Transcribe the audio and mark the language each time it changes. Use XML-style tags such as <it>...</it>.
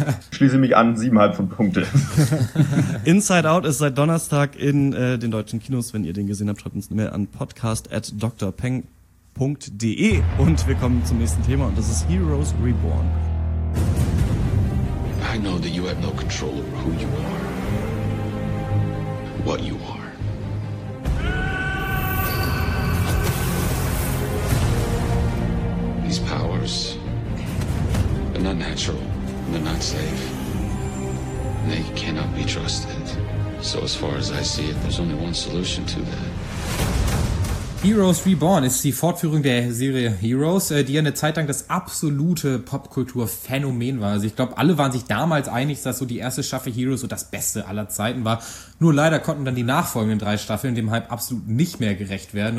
<de>Schließe mich an, 7,5 von Punkte. Inside Out ist seit Donnerstag in den deutschen Kinos. Wenn ihr den gesehen habt, schreibt uns eine Mail an podcast@drpeng.de und wir kommen zum nächsten Thema und das ist Heroes Reborn.</de> <en>I know that you have no control over who you are. What you are. These powers are not natural. And they're not safe. And they cannot be trusted. So as far as I see it, there's only one solution to that.</en> <de>Heroes Reborn ist die Fortführung der Serie Heroes, die ja eine Zeit lang das absolute Popkulturphänomen war. Also ich glaube, alle waren sich damals einig, dass so die erste Staffel Heroes so das Beste aller Zeiten war. Nur leider konnten dann die nachfolgenden 3 Staffeln dem Hype absolut nicht mehr gerecht werden.</de>